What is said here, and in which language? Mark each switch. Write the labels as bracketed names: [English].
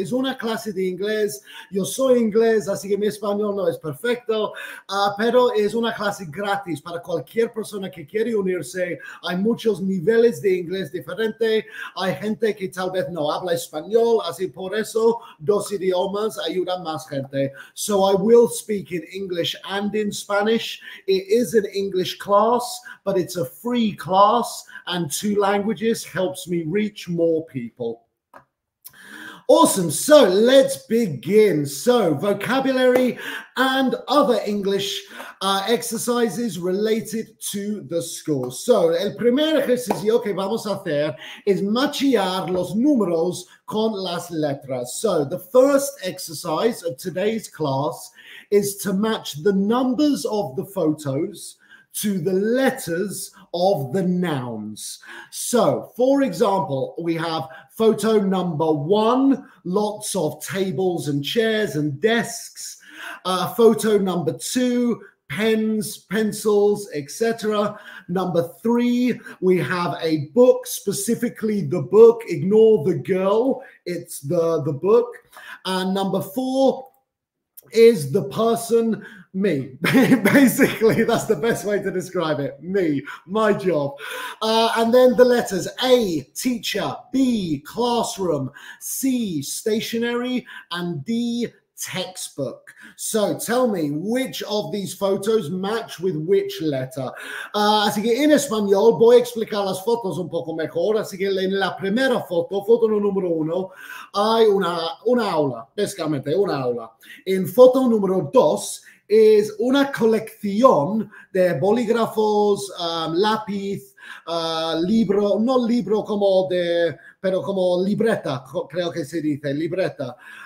[Spanish] Es una clase de inglés. Yo soy inglés, así que mi español no es perfecto. Pero es una clase gratis para cualquier persona que quiere unirse. Hay muchos niveles de inglés diferente. Hay gente que tal vez no habla español, así por eso dos idiomas ayudan más gente. [English] So I will speak in English and in Spanish. It is an English class, but it's a free class, and two languages helps me reach more people. Awesome. So let's begin. So vocabulary and other English exercises related to the school. [Spanish] So el primer ejercicio que vamos a hacer es machear los números con las letras. [English] So the first exercise of today's class is to match the numbers of the photos to the letters of the nouns. So, for example, we have photo number one, lots of tables and chairs and desks. Photo number two, pens, pencils, etc. Number three, we have a book, specifically the book. Ignore the girl, it's the book. And number four is the person. Me, basically, that's the best way to describe it. Me, my job. And then the letters A, teacher, B, classroom, C, stationery, and D, textbook. So tell me which of these photos match with which letter. [Spanish] Así que en español voy a explicar las fotos un poco mejor. Así que en la primera foto, foto número uno, hay una aula, básicamente una aula. En foto número dos, es una colección de bolígrafos, lápiz, libro, no libro como de, pero como libreta, creo que se dice, libreta.